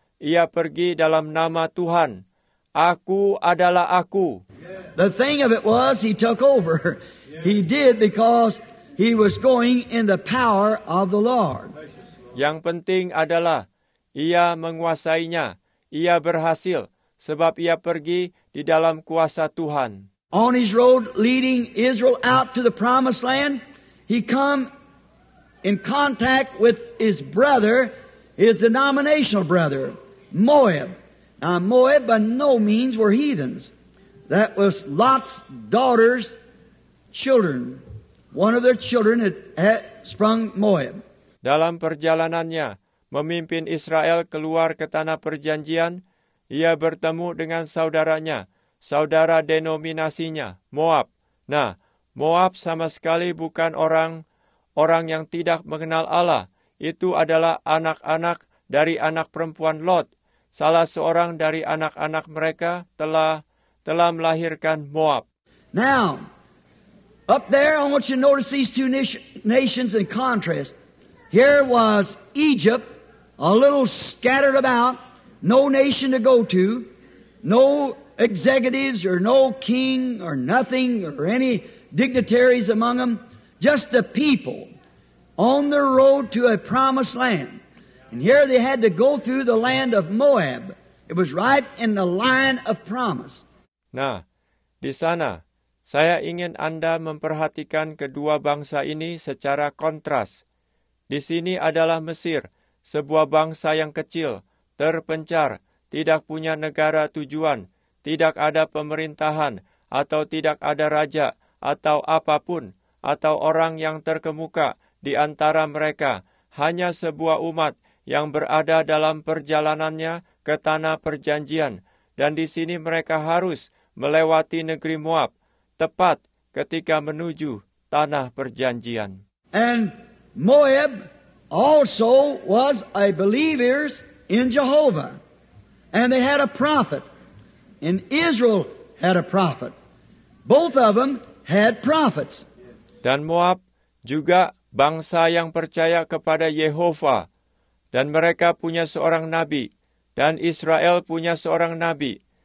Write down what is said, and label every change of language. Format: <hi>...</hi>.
<id>Ia pergi dalam nama Tuhan. Aku adalah aku.</id> <en>The thing of it was he took over. He did because he was going in the power of the Lord.</en> <id>Yang penting adalah ia menguasainya. Ia berhasil sebab ia pergi di dalam kuasa Tuhan.</id> <en>On his road leading Israel out to the promised land, he come in contact with his brother, his denominational brother, Moab. Now Moab by no means were heathens. That was Lot's daughter's children. One of their children had sprung Moab.</en> <id>Dalam perjalanannya memimpin Israel keluar ke tanah perjanjian, ia bertemu dengan saudaranya, saudara denominasinya, Moab. Nah, Moab sama sekali bukan orang yang tidak mengenal Allah. Itu adalah anak-anak dari anak perempuan Lot. Salah seorang dari anak-anak mereka telah melahirkan Moab.</id> <en>Now, up there, I want you to notice these two nations in contrast. Here was Egypt, a little scattered about, no nation to go to, no executives or no king or nothing or any dignitaries among them, just the people on their road to a promised land. And here they had to go through the land of Moab. It was right in the line of promise.</en> <id>Nah, di sana, saya ingin Anda memperhatikan kedua bangsa ini secara kontras. Di sini adalah Mesir, sebuah bangsa yang kecil, terpencar, tidak punya negara tujuan, tidak ada pemerintahan, atau tidak ada raja, atau apapun, atau orang yang terkemuka di antara mereka, hanya sebuah umat yang berada dalam perjalanannya ke tanah perjanjian, dan di sini mereka harus melewati negeri Moab, tepat ketika menuju tanah perjanjian.</id> <en>And Moab also was a believer in Jehovah, and they had a prophet, and Israel had a prophet. Both of them had prophets.</en> <id>Dan Moab juga bangsa yang percaya kepada Yehova, dan mereka punya seorang nabi, dan Israel punya seorang nabi.</id>